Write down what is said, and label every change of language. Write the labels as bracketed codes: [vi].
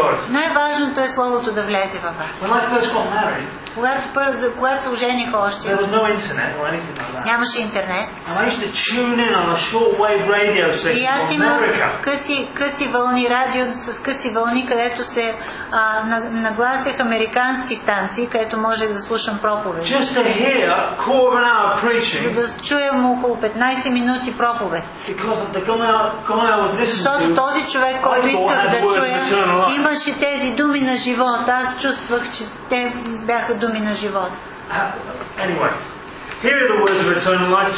[bg] Най-важното е словото да влезе във вас. [en] When I first got married, [bg] когато се ожених още, [en] there was no internet or anything like that. [bg] Нямаше интернет. [en] And I used to tune in on a shortwave radio station in America. [bg] И аз имах къси вълни радио с къси вълни, където се нагласях американски станции, където можех да слушам проповеди. [en] Just to hear a quarter of an hour preaching. [bg] За да чуем около 15 минути проповед. [en] Because the guy I was listening to, [bg] този човек, който исках да чуя, имаше тези думи на живота. Аз чувствах, че те бяха думи на живота. [en] Anyway, here are the words of eternal life.